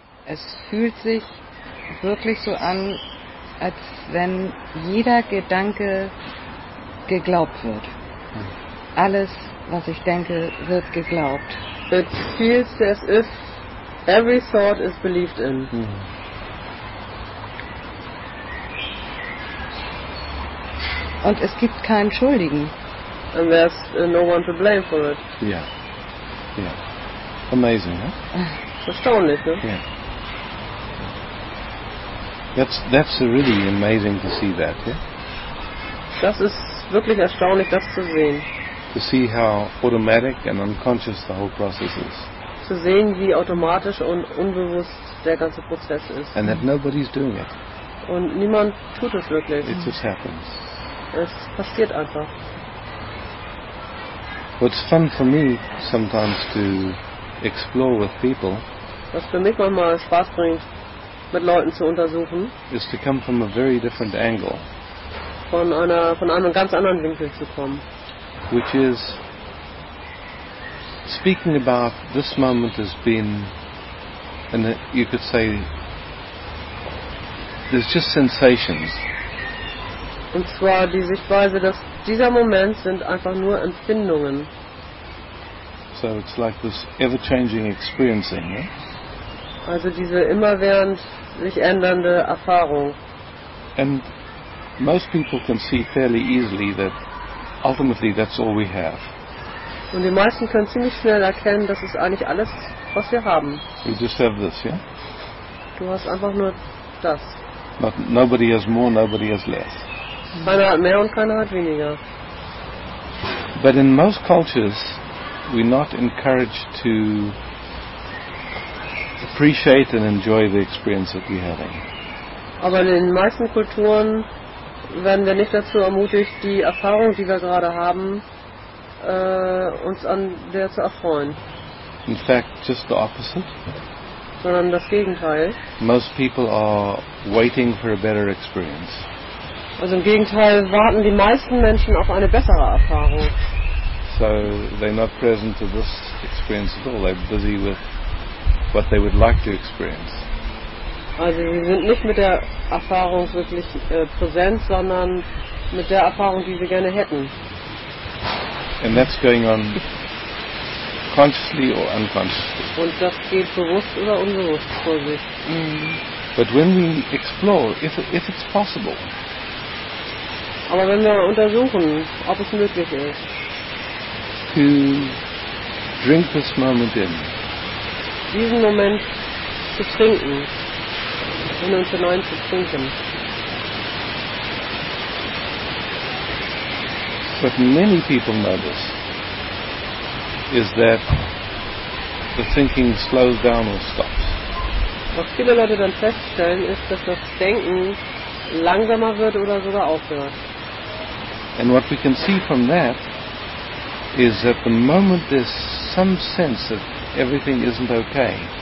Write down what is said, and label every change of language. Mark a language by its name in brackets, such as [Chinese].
[German] es fühlt sich wirklich so an, als wenn jeder Gedanke geglaubt wird. Alles, was ich denke, wird geglaubt. [English] It feels as if every thought is believed in. Mm-hmm. [German] Und es gibt keinen Schuldigen. [English] And there's no one to blame for it. Yeah. Yeah. Amazing, huh? [German] Erstaunlich, ne? [English] Yeah. That's really amazing to see that, yeah? [German] Das ist wirklich erstaunlich, das zu sehen. [English] To see how automatic and unconscious the whole process is. [German] Zu sehen, wie automatisch und unbewusst der ganze Prozess ist. [English] And that nobody's doing it. [German] Und niemand tut es wirklich. [English] It just happens. [German] Es passiert einfach. [English] What's fun for me sometimes to explore with people. [German] Was für mich manchmal Spaß bringt, mit Leuten zu untersuchen. [English] Is to come from a very different angle. [German] Von einem ganz anderen Winkel zu kommen. [English] Which is speaking about this moment has been, and you could say, there's just sensations. [German] Und zwar die Sichtweise, dass dieser Moment sind einfach nur Empfindungen. [English] So it's like this ever-changing experiencing, yeah? [German] Also diese immerwährend sich ändernde Erfahrung. [English] And most people can see fairly easily that ultimately that's all we have. [German] Und die meisten können ziemlich schnell erkennen, das ist eigentlich alles, was wir haben. [English] You just have this, yeah? [German] Du hast einfach nur das. [English] But nobody has more, nobody has less. [German] Keiner hat mehr und keiner hat weniger. [English] But in most cultures, we're not encouraged to appreciate and enjoy the experience that we're having. [German] Aber in den meisten Kulturen werden wir nicht dazu ermutigt, die Erfahrung, die wir gerade haben, uns an der zu erfreuen. [English] In fact, just the opposite. [German] Sondern das Gegenteil. [English] Most people are waiting for a better experience. [German] Also im Gegenteil, warten die meisten Menschen auf eine bessere Erfahrung. [English] So they're not present to this experience at all. They're busy with what they would like to experience. [German] Also sie sind nicht mit der Erfahrung wirklich präsent, sondern mit der Erfahrung, die sie gerne hätten. [English] And that's going on consciously or unconsciously. [German] Und das geht bewusst oder unbewusst vor sich. [English] Mm. But when we explore, if it's possible. [German] Aber wenn wir untersuchen, ob es möglich ist, [English] to drink this moment in, [German] diesen Moment zu trinken, in uns hinein zu trinken. [English] What many people notice is that the thinking slows down or stops. [German] Was viele Leute dann feststellen, ist, dass das Denken langsamer wird oder sogar aufhört. [English] And what we can see from that is that the moment there's some sense that everything isn't okay.